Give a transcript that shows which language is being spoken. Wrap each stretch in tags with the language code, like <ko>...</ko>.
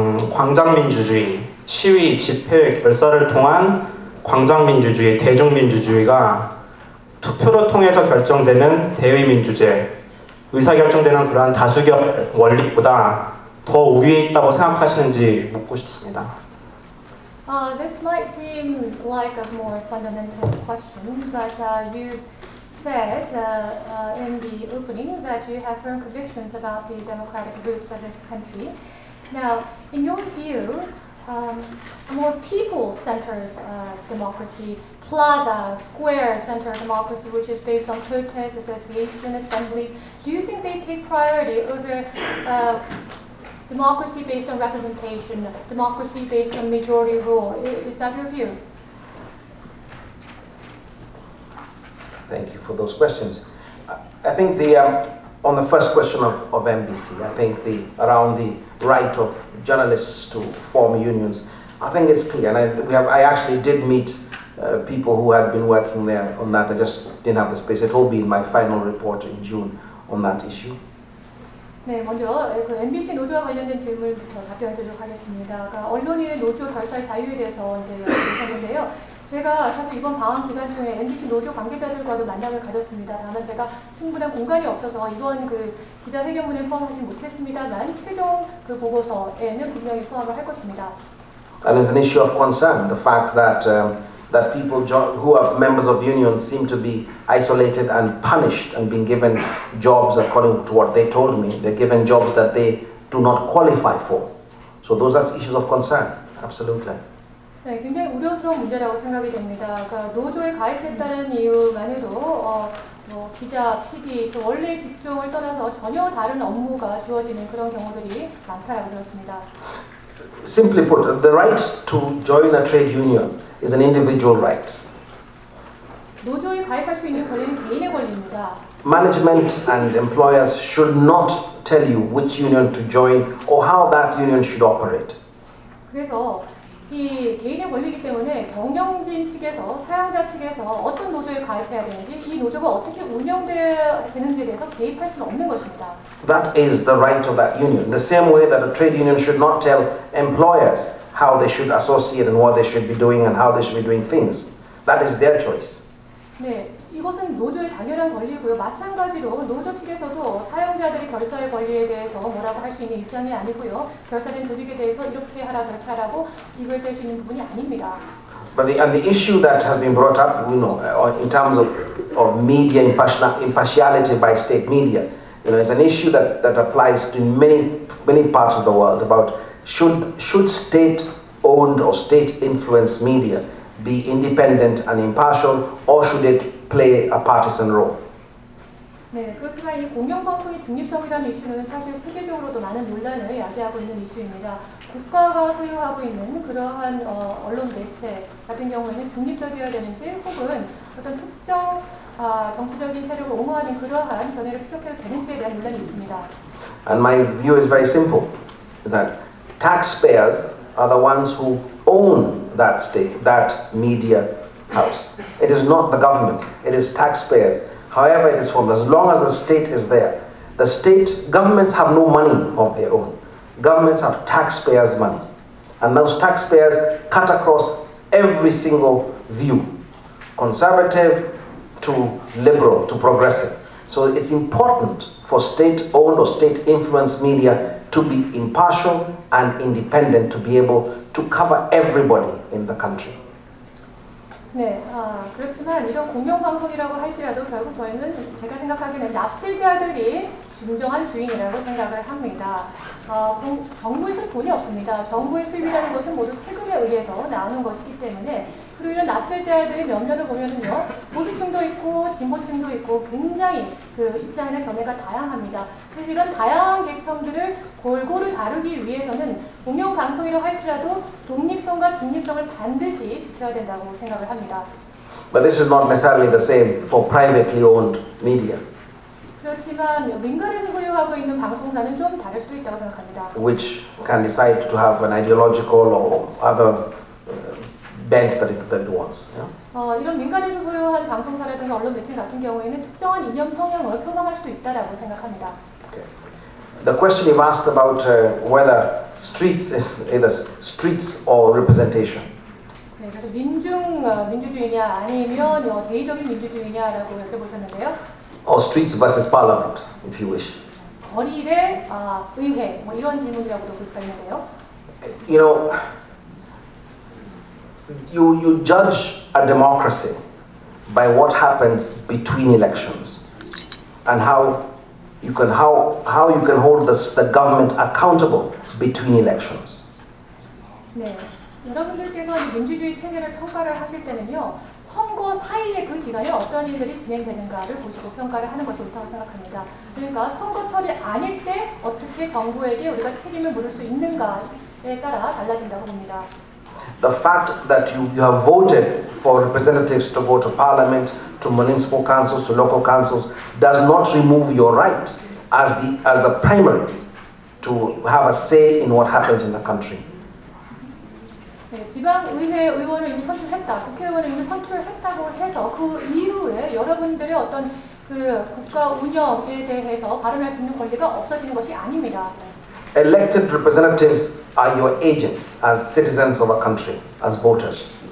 <ko>광장민주주의, 시위, 집회, 결사를 통한 광장민주주의, 대중민주주의가 투표로 통해서 결정되는 대의민주제, 의사결정되는 그러한 다수결 원리보다 더 우위에 있다고 생각하시는지 묻고 싶습니다.</ko> <en>This might seem like a more fundamental question, but you said in the opening that you have firm convictions about the democratic roots of this country. Now, in your view, a more people-centered democracy, plaza, square-centered democracy, which is based on protest, association, assembly, do you think they take priority over democracy based on representation, democracy based on majority rule? Is that your view? Thank you for those questions. I think the on the first question of MBC, I think the around the right of journalists to form unions, I think it's clear, and I actually did meet people who had been working there on that. I just didn't have the space. It will be in my final report in June on that issue.</en> <ko>네, 먼저 그 MBC 노조와 관련된 질문부터 답변드리도록 하겠습니다. 그러니까 언론의 노조 결사의 자유에 대해서 이제 여쭤보는데요. 제가 사실 이번 방한 기간 중에 MBC 노조 관계자들과도 만남을 가졌습니다. 다만 제가 충분한 공간이 없어서 이번 그 기자회견문에 포함하지 못했습니다만 최종 그 보고서에는 분명히 포함을 할 것입니다.</ko> <en>And it's an issue of concern, the fact that that people who are members of unions seem to be isolated and punished and being given jobs according to what they told me. They're given jobs that they do not qualify for. So those are issues of concern, absolutely.</en> <ko>네, 굉장히 우려스러운 문제라고 생각이 됩니다. 그러니까 노조에 가입했다는 이유만으로 뭐 기자, PD, 또 원래 직종을 떠나서 전혀 다른 업무가 주어지는 그런 경우들이 많다고 들었습니다.</ko> <en>Simply put, the right to join a trade union is an individual right.</en> <ko>노조에 가입할 수 있는 권리는 개인의 권리입니다.</ko> <en>Management and employers should not tell you which union to join or how that union should operate.</en> <ko>그래서 이 개인의 권리이기 때문에 경영진 측에서 사용자 측에서 어떤 노조에 가입해야 되는지 이 노조가 어떻게 운영되는지에 대해서 개입할 수는 없는 것입니다.</ko> <en>That is the right of that union. The same way that a trade union should not tell employers how they should associate and what they should be doing and how they should be doing things. That is their choice.</en> <ko>네, 이것은 노조의 당연한 권리고요. 마찬가지로 노조 측에서도 사용자들이 결사의 권리에 대해서 뭐라고 할 수 있는 입장이 아니고요. 결사된 조직에 대해서 이렇게 하라 저렇게 하라고 이별될 수 있는 부분이 아닙니다.</ko> <en>But the issue that has been brought up, you know, in terms of media impartiality by state media, you know, it's an issue that applies to many parts of the world about should state-owned or state-influenced media be independent and impartial, or should it play a partisan role?</en> <ko>네, 그렇지만 이 공영방송의 중립성이라는 이슈는 사실 세계적으로도 많은 논란을 야기하고 있는 이슈입니다. 국가가 소유하고 있는 그러한 언론 매체 같은 경우에는 중립적이어야 되는지 혹은 어떤 특정 정치적인 세력을 옹호하는 그러한 견해를 피력해도 되는지에 대한 논란이 있습니다.</ko> <en>And my view is very simple, that taxpayers are the ones who own that state, that media house. It is not the government, it is taxpayers. However it is formed, as long as the state is there, the state, governments have no money of their own. Governments have taxpayers' money. And those taxpayers cut across every single view, conservative to liberal to progressive. So it's important for state-owned or state-influenced media to be impartial and independent, to be able to cover everybody in the country.</en> <ko>네, 그렇지만 이런 공영방송이라고 할지라도 결국 저희는 제가 생각하기에는 납세자들이 진정한 주인이라고 생각을 합니다. 정부에서 돈이 없습니다. 정부의 수입이라는 것은 모두 세금에 의해서 나오는 것이기 때문에 그리고 이런 납세자들의 면면을 보면은요, 보수층도 있고 진보층도 있고 굉장히 그 이스라엘의 견해가 다양합니다. 그래서 이런 다양한 계층들을 골고루 다루기 위해서는 공영방송이라고 할지라도 독립성과 중립성을 반드시 지켜야 된다고 생각을 합니다.</ko> <en>But this is not necessarily the same for privately owned media.</en> <ko>그렇지만 민간에서 소유하고 있는 방송사는 좀 다를 수도 있다고 생각합니다.</ko> <en>Which can decide to have an ideological or other bent that it wants. Yeah?</en> <ko>이런 민간에서 소유한 방송사라든가 언론 매체 같은 경우에는 특정한 이념 성향을 표방할 수도 있다고 생각합니다.</ko> <en>The question you've asked about whether streets is either streets or representation.</en> <ko>네, 그래서 민주주의냐 아니면 대의적인 민주주의냐라고 여쭤보셨는데요.</ko> <en>Or streets versus parliament, if you wish.</en> <ko>거리 대 의회 뭐 이런 질문이라고도 볼 수 있는데요.</ko> <en>You know, you judge a democracy by what happens between elections and how. You can how you can hold the government accountable between elections.</en> <ko>네, 여러분들께서 민주주의 체제를 평가를 하실 때는요 선거 사이의 그 기간에 어떤 일들이 진행되는가를 보시고 평가를 하는 것이 옳다고 생각합니다. 그러니까 선거철이 아닐 때 어떻게 정부에게 우리가 책임을 물을 수 있는가에 따라 달라진다고 봅니다.</ko> <en>The fact that you have voted for representatives to go to parliament, to municipal councils, to local councils, does not remove your right as the primary to have a say in what happens in the country.</en> <ko>네, 지방의회 의원을 이미 선출했다, 국회의원을 이미 선출했다고 해서 그 이후에 여러분들의 어떤 그 국가 운영에 대해서 발언할 수 있는 권리가 없어지는 것이 아닙니다.</ko> <en>Elected representatives are your agents as citizens of a country, as voters.</en>